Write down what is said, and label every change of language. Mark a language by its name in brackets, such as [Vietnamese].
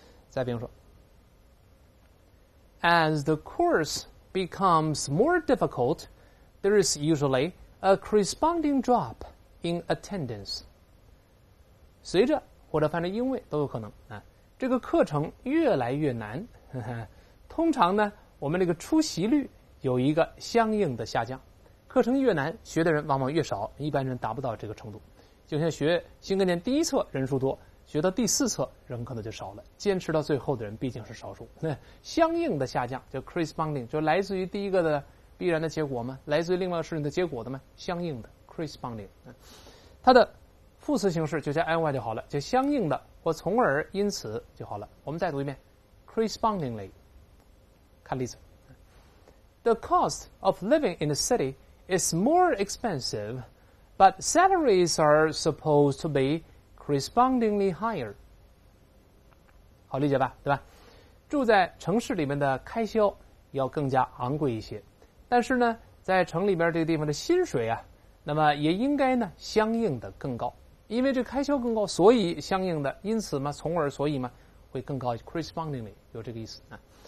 [Chinese] 再比如说 [English] As the course becomes more difficult there is usually a corresponding drop in attendance， [Chinese] 随着或者反正因为都有可能啊。这个课程越来越难，通常呢我们这个出席率有一个相应的下降，课程越难学的人往往越少，一般人达不到这个程度，就像学新概念第一册人数多，学到第四册人可能就少了，坚持到最后的人毕竟是少数，相应的下降叫 corresponding， 就来自于第一个的必然的结果吗？来自于另外一个事情的结果的吗？相应的 corresponding， 它的副词形式就加 ly 就好了，就相应的或从而因此就好了。我们再读一遍 correspondingly。看例子 [English] The cost of living in the city is more expensive but salaries are supposed to be correspondingly higher， [Chinese] 好理解吧，对吧？住在城市里面的开销要更加昂贵一些，但是呢在城里边这个地方的薪水啊，那么也应该呢相应的更高，因为这开销更高，所以相应的因此嘛，从而所以嘛，会更高 correspondingly， 有这个意思啊。